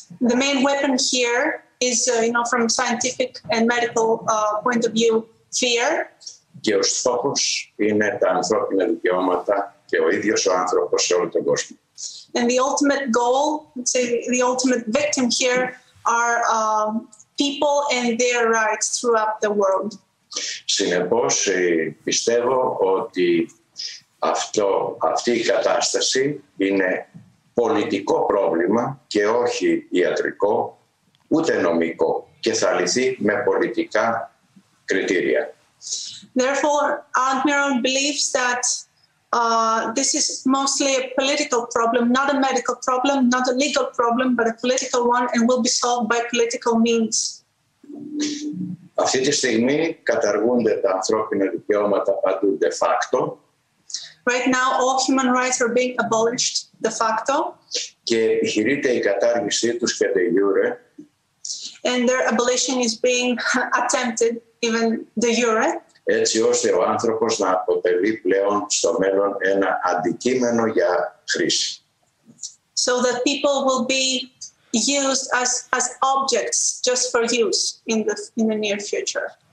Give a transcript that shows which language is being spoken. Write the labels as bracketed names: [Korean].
[English] The main weapon here is, from a scientific and medical point of view, fear. [Greek] Και ο στόχος είναι τα ανθρώπινα δικαιώματα και ο ίδιος ο άνθρωπος σε όλο τον κόσμο. [English] And the ultimate goal, the ultimate victim here, are people and their rights throughout the world. [Greek] Συνεπώς, πιστεύω ότι αυτή η κατάσταση είναι πολιτικό πρόβλημα και όχι ιατρικό, ούτε νομικό, και θα λυθεί με πολιτικά κριτήρια. [English] Therefore, Admiral believes that this is mostly a political problem, not a medical problem, not a legal problem, but a political one, and will be solved by political means. [Greek] Αυτή τη στιγμή καταργούνται τα ανθρώπινα δικαιώματα παντού de facto. [English] Right now, all human rights are being abolished de facto. [Greek] Και επιχειρείται η κατάργησή τους και de jure. [English] And their abolition is being attempted, even de jure. [Greek] Έτσι ώστε ο άνθρωπος να αποτελεί πλέον στο μέλλον ένα αντικείμενο για χρήση. [English] So that people will be used as objects just for use in the near future.